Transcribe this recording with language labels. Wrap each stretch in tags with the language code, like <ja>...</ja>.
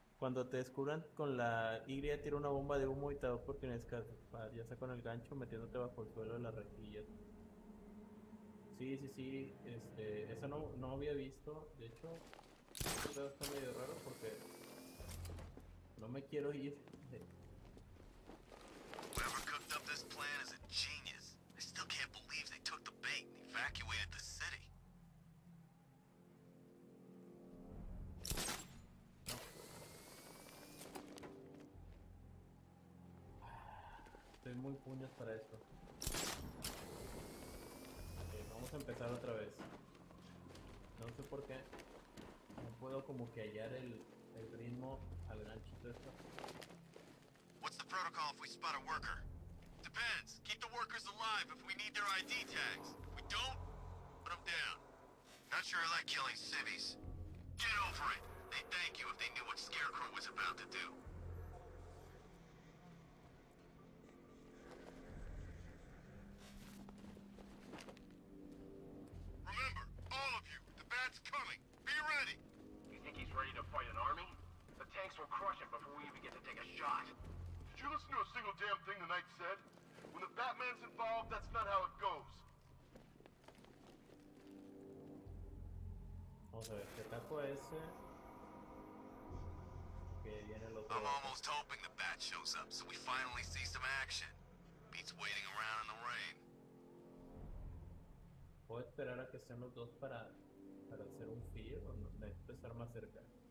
<es>Cuando te descubran con la Y, tira una bomba de humo y te da oportunidad de escapar, ya sea con el gancho metiéndote bajo el suelo de la rejilla. Sí, eso no había visto. De hecho, esto está medio raro porque no me quiero ir.</es> <en>Whoever cooked up this plan is a genius. I still can't believe they took the bait and evacuated the city.</en> <es>No. Estoy muy puñas para esto. Vamos a empezar otra vez. No sé por qué. No puedo como que hallar el ritmo al ganchito esto.</es> <en>What's the protocol if we spot a worker? Depends. Keep the workers alive if we need their ID tags. If we don't, put them down. Not sure I like killing civvies. Get over it! They'd thank you if they knew what Scarecrow was about to do. Remember, all of you, the bat's coming. Be ready! You think he's ready to fight an army? The tanks will crush him before we even get to take a shot. Did you listen to a single damn thing the knight said? When the Batman's involved, that's not how it goes. I'm almost hoping the bat shows up so we finally see some action. Beats waiting around in the rain.</en> <es>Voy a esperar a que estén los dos para hacer un fío o empezar más cerca.</es>